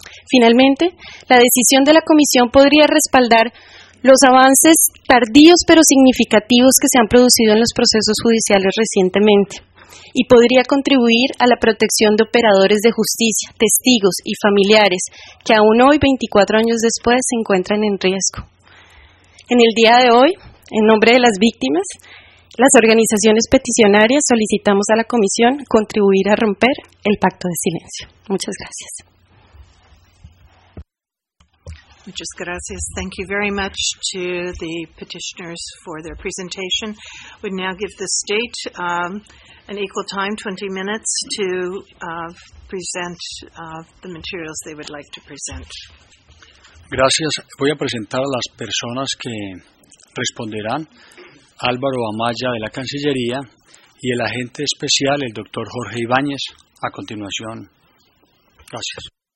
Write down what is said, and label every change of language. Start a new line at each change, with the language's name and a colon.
Spanish: Finalmente, la decisión de la Comisión podría respaldar los avances tardíos pero significativos que se han producido en los procesos judiciales recientemente, y podría contribuir a la protección de operadores de justicia, testigos y familiares que aún hoy, 24 años después, se encuentran en riesgo. En el día de hoy, en nombre de las víctimas, las organizaciones peticionarias solicitamos a la Comisión contribuir a romper el pacto de silencio. Muchas gracias. Muchas gracias.
English: Thank you very much to the petitioners for their presentation. We'd now give the state an equal time, 20 minutes, to present the materials they would like to present.
Spanish: Gracias. Voy a presentar a las personas que responderán: Álvaro Amaya, de la Cancillería, y el agente especial, el doctor Jorge Ibáñez, a continuación. Gracias.